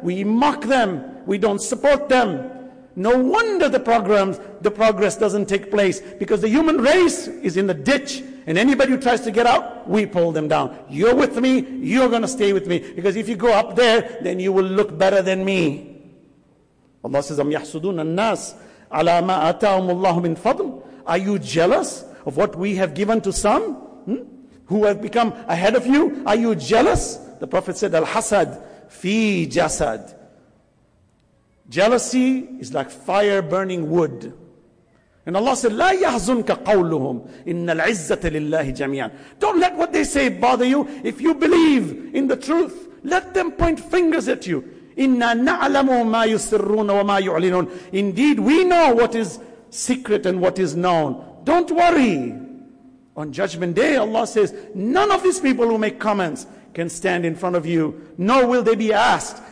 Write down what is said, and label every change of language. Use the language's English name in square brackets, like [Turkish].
[English] We mock them. We don't support them. No wonder the progress doesn't take place. Because the human race is in the ditch. And anybody who tries to get out, we pull them down. You're with me. You're going to stay with me. Because if you go up there, then you will look better than me. Allah says, [Arabic] أَمْ يَحْسُدُونَ النَّاسِ عَلَى مَا أَتَاهُمُ اللَّهُ مِنْ فَضْلٍ. [English] Are you jealous of what we have given to some who have become ahead of you? Are you jealous? The Prophet said, [Arabic] الْحَسَدْ فِي جَسَدْ. [English] Jealousy is like fire burning wood. And Allah said, [Arabic] لَا يَحْزُنْكَ قَوْلُهُمْ إِنَّ الْعِزَّةَ لِلَّهِ جَمِيعًا. [English] Don't let what they say bother you. If you believe in the truth, let them point fingers at you. [Arabic] إِنَّا نَعْلَمُ مَا يُسِرُّونَ وَمَا يُعْلِنُونَ. [English] Indeed, we know what is secret and what is known. Don't worry. On Judgment Day, Allah says, none of these people who make comments can stand in front of you, nor will they be asked.